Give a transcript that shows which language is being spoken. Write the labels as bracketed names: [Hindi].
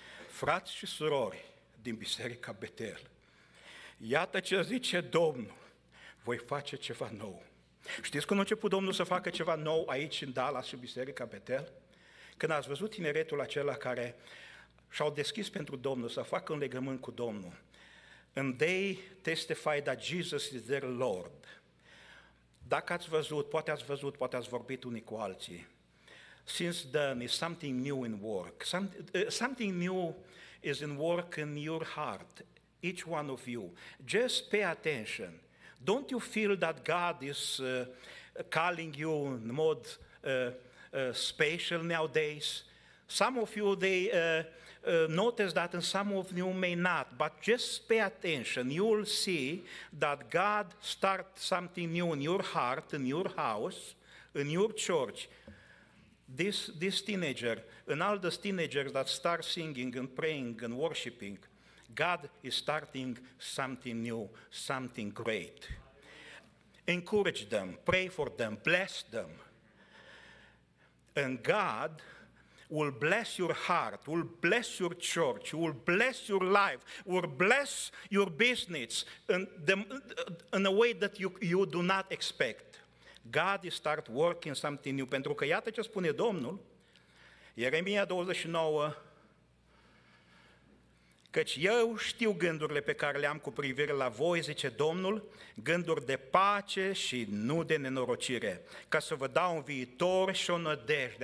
[Romanian] Frați și surori din Biserica Betel, iată ce zice Domnul, voi face ceva nou. Știți când a început Domnul să facă ceva nou aici în Dallas, în Biserica Betel? Când ați văzut tineretul acela care și-au deschis pentru Domnul să facă un legământ cu Domnul. [English] And they testify that Jesus is their Lord. [Romanian] Dacă ați văzut, poate ați văzut, poate ați vorbit unii cu alții. [English] Since then is something new in work. Something new is in work in your heart, each one of you. Just pay attention. Don't you feel that God is calling you in mode special nowadays? Some of you, they notice that, and some of you may not, but just pay attention. You will see that God starts something new in your heart, in your house, in your church. This teenager, and all the teenagers that start singing and praying and worshiping, God is starting something new, something great. Encourage them, pray for them, bless them. And God will bless your heart, will bless your church, will bless your life, will bless your business in a way that you do not expect. God is start working something new. [Romanian] Pentru că iată ce spune Domnul, Ieremia 29, căci eu știu gândurile pe care le am cu privire la voi, zice Domnul, gânduri de pace și nu de nenorocire, ca să vă dau un viitor și o nădejde.